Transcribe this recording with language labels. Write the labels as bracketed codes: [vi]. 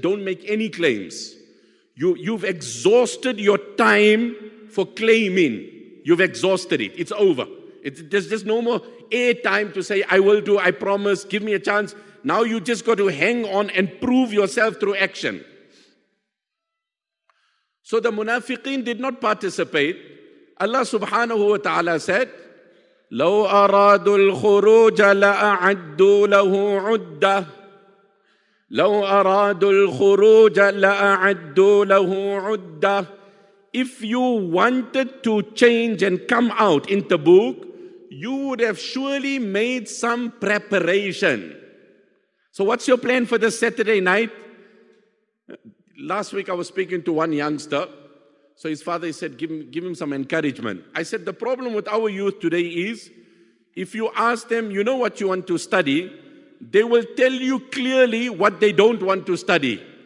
[en] Don't make any claims. You've exhausted your time for claiming. You've exhausted it. It's over. There's just no more air time to say, I will do, I promise, give me a chance. Now you just got to hang on and prove yourself through action. So the munafiqeen did not participate. Allah subhanahu wa ta'ala said, [ar] لو أرادوا الخروج لأعدوا له عدة لو أرادوا الخروج لأعدوا له عدة. [en] If you wanted to change and come out in Tabuk, you would have surely made some preparation. So what's your plan for this Saturday night? Last week I was speaking to one youngster. So his father said, give him some encouragement. I said, the problem with our youth today is, if you ask them, you know what you want to study, they will tell you clearly what they don't want to study.